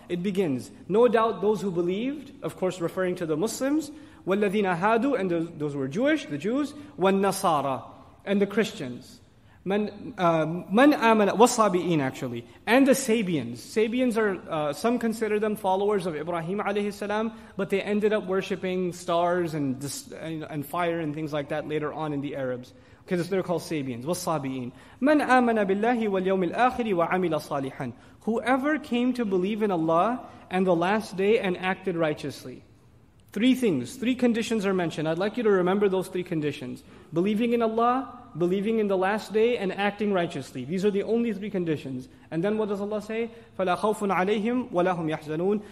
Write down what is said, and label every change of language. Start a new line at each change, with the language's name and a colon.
English: It begins, no doubt those who believed, of course referring to the Muslims,
Arabic: وَالَّذِينَ هَادُوا,
English: and those who were Jewish, the Jews, وَالنَّصَارَى, and the Christians.
Arabic: من آمن والصابئين
English: actually, and the Sabians. Sabians are some consider them followers of Ibrahim alayhi salam, but they ended up worshipping stars and fire and things like that later on in the Arabs, because they're called Sabians.
Arabic: والصابئين من آمن بالله واليوم الآخر وعمل صالحا.
English: Whoever came to believe in Allah and the last day and acted righteously. Three things, three conditions are mentioned. I'd like you to remember those three conditions. Believing in Allah, believing in the last day, and acting righteously. These are the only three conditions. And then what does Allah say?
Arabic: فَلَا خَوْفٌ عَلَيْهِمْ وَلَا هُمْ يَحْزَنُونَ.